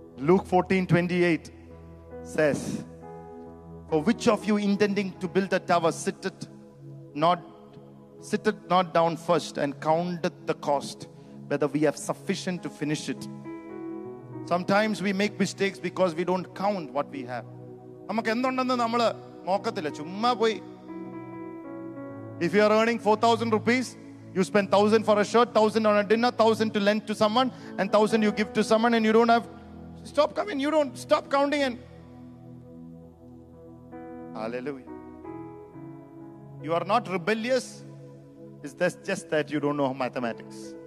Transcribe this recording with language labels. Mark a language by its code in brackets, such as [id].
[en] Luke 14:28 says, "For which of you intending to build a tower sitteth not down first and counteth the cost, whether we have sufficient to finish it?" Sometimes we make mistakes because we don't count what we have. [ml] നമുക്ക് എന്തുണ്ടെന്ന് നമ്മൾ നോക്കത്തില്ല, ചുമ്മാ പോയി. [en] If you are earning 4,000 rupees, you spend 1,000 for a shirt, 1,000 on a dinner, 1,000 to lend to someone, and 1,000 you give to someone, and you don't have, stop coming, you don't, stop counting. And hallelujah. You are not rebellious, it's just that you don't know mathematics.